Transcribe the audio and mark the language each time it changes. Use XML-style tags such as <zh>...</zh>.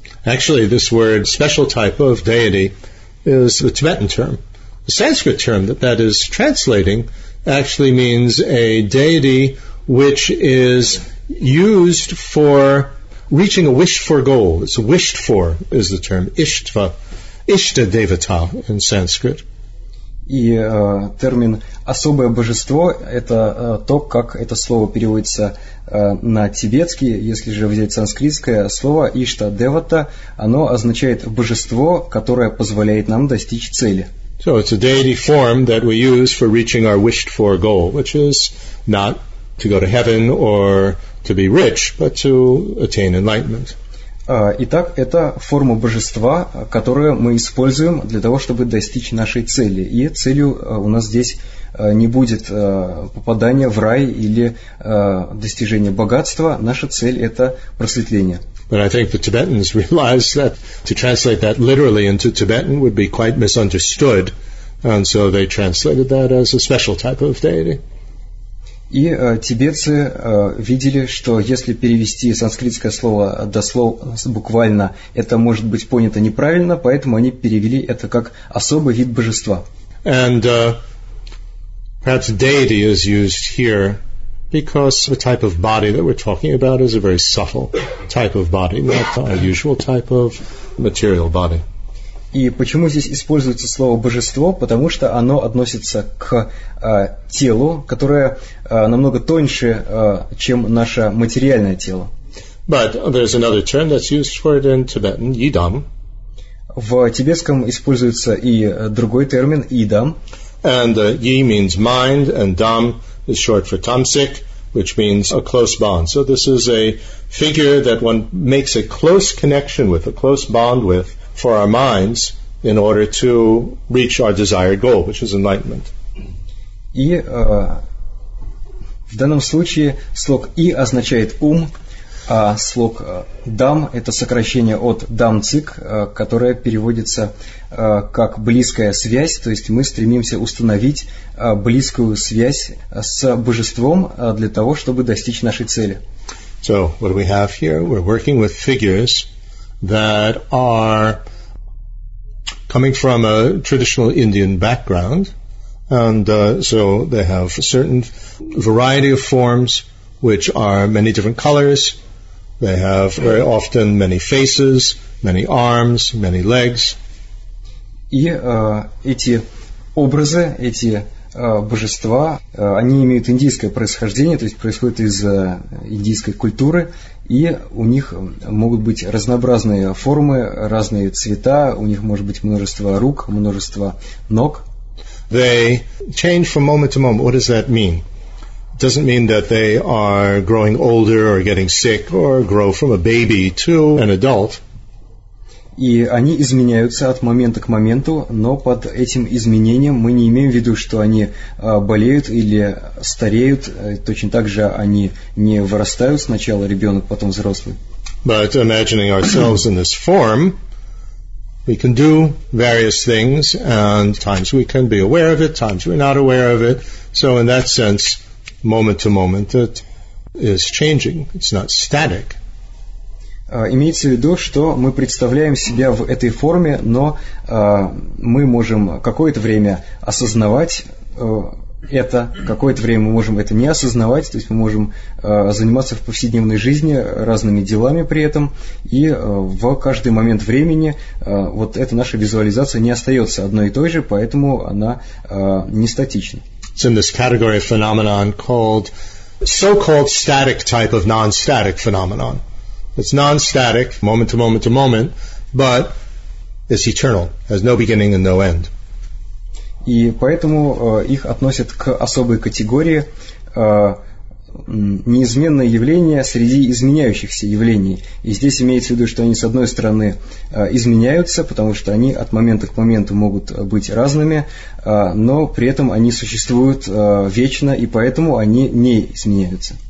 <en>Actually, this word, special type of deity, is the Tibetan term. The Sanskrit term that is translating actually means a deity which is used for reaching a wish for goal. It's wished for is the term. Ishtva, Ishta Devata in Sanskrit.</en> <ru>И термин «особое божество» — это то, как это слово переводится на тибетский. Если же взять санскритское слово «ишта девата», оно означает «божество, которое позволяет нам достичь цели».</ru> <en>So it's a deity form that we use for reaching our wished for goal, which is not to go to heaven or to be rich, but to attain enlightenment.</en> <ru>Итак, это форма божества, которую мы используем для того, чтобы достичь нашей цели. И целью у нас здесь не будет попадание в рай или достижение богатства. Наша цель – это просветление.</ru> <en>But I think the Tibetans realize that to translate that literally into Tibetan would be quite misunderstood, and so they translated that as a special type of deity.</en> <ru>И тибетцы видели, что если перевести санскритское слово дословно, буквально, это может быть понято неправильно, поэтому они перевели это как особый вид божества.</ru> <en>And perhaps deity is used here because the type of body that we're talking about is a very subtle type of body, not a usual type of material body.</en> <ru>И почему здесь используется слово «божество»? Потому что оно относится к телу, которое намного тоньше, чем наше материальное тело.</ru> <en>But there's another term that's used for it in Tibetan – «идам».</en> <ru>В тибетском используется и другой термин – «идам».</ru> <en>And «и» means «mind», and «дам» is short for «тамсик», which means a close bond. So this is a figure that one makes a close connection with, a close bond with, for our minds in order to reach our desired goal, which is enlightenment.</en> <ru>И в данном случае слог «и» означает ум, а слог «дам» – это сокращение от «дамцик», которое переводится как «близкая связь», то есть мы стремимся установить близкую связь с божеством для того, чтобы достичь нашей цели.</ru> <en>So, what do we have here? We're working with figures that are coming from a traditional Indian background, and so they have a certain variety of forms, which are many different colors. They have very often many faces, many arms, many legs.</en> <ru>И эти образы, эти божества, они имеют индийское происхождение, то есть происходят из индийской культуры. И у них могут быть разнообразные формы, разные цвета, у них может быть множество рук, множество ног.</ru> <en>They change from moment to moment. What does that mean? It doesn't mean that they are growing older or getting sick or grow from a baby to an adult.</en> <ru>И они изменяются от момента к моменту, но под этим изменением мы не имеем в виду, что они болеют или стареют. Точно так же они не вырастают сначала ребенок, потом взрослый.</ru> <en>But imagining ourselves in this form, we can do various things, and times we can be aware of it, times we're not aware of it. So in that sense, moment to moment, it is changing. It's not static.</en> <ru>Имеется в виду, что мы представляем себя в этой форме, но мы можем какое-то время осознавать это, какое-то время мы можем это не осознавать, то есть мы можем заниматься в повседневной жизни разными делами при этом, и в каждый момент времени вот эта наша визуализация не остается одной и той же, поэтому она не статична.</ru> <en>It's in this category of phenomenon called so-called static type of non-static phenomenon. It's non-static, moment to moment to moment, but it's eternal, has no beginning and no end.</en> <ru>И поэтому их относят к особой категории неизменное явление среди изменяющихся явлений. И здесь имеется в виду, что они, с одной стороны, изменяются, потому что они от момента к моменту могут быть разными, но при этом они существуют вечно, и поэтому они не изменяются.</ru>